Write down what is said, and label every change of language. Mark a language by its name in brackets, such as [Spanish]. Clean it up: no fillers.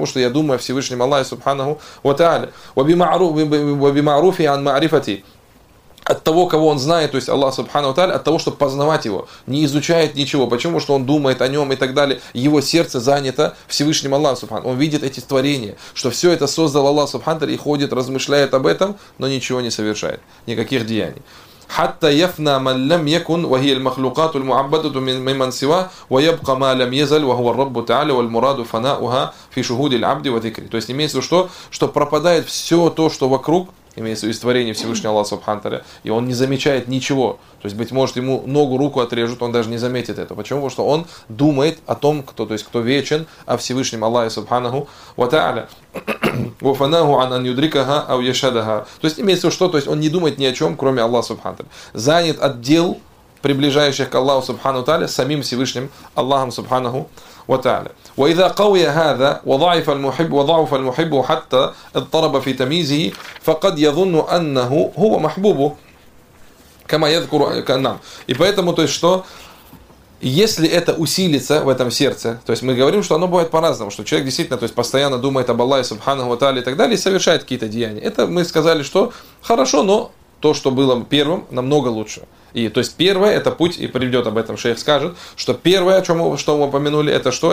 [Russian] Потому что я думаю о Всевышнем Аллахе Субханаху Тааля. [Arabic] وبمعروف عن معرفتي [Russian] от того, кого он знает, то есть Аллах Субхану Тааля, от того, чтобы познавать его, не изучает ничего. Почему? Что он думает о нем и так далее. Его сердце занято Всевышним Аллахом Субхану. Он видит эти творения, что все это создал Аллах Субхану Тааля и ходит, размышляет об этом, но ничего не совершает, никаких деяний. [Arabic] حتى يفنى من لم يكن وهي المخلوقات المعبدة ممن سواه ويبقى ما لم يزل وهو الرب تعالى والمراد فناؤها في شهود العبد وذكره. [Russian] То есть имеется в виду, что пропадает все то, что вокруг, имеется в виду творение Всевышнего Аллаха Субхану Тааля, и он не замечает ничего. То есть, быть может, ему ногу, руку отрежут, он даже не заметит это. Почему? Потому что он думает о том, кто, то есть, кто вечен, о Всевышнем Аллахе Субханаху ва Тааля. [Arabic] وفناه عن أن يدركها أو يشهدها. [Russian] То есть имеется в виду, что то есть он не думает ни о чем, кроме Аллаха Субхану Тааля. Занят от дел, приближающих к Аллаху Субхану Тааля, самим Всевышним Аллахом Субханаху ва Тааля. [Arabic] وإذا قوي هذا وضعف المحب وضعف المحب حتى اضطرب في تمييزه فقد يظن أنه هو محبوبه كما يذكر كنام. [Russian] И поэтому то есть что если это усилится в этом сердце, то есть мы говорим, что оно бывает по-разному, что человек действительно то есть постоянно думает об Аллахе Субханаху ва Тааля и так далее, и совершает какие-то деяния. Это мы сказали, что хорошо, но то, что было первым, намного лучше. И то есть первое, это путь, и приведет об этом шейх, скажет, что первое, о чем что мы упомянули, это что?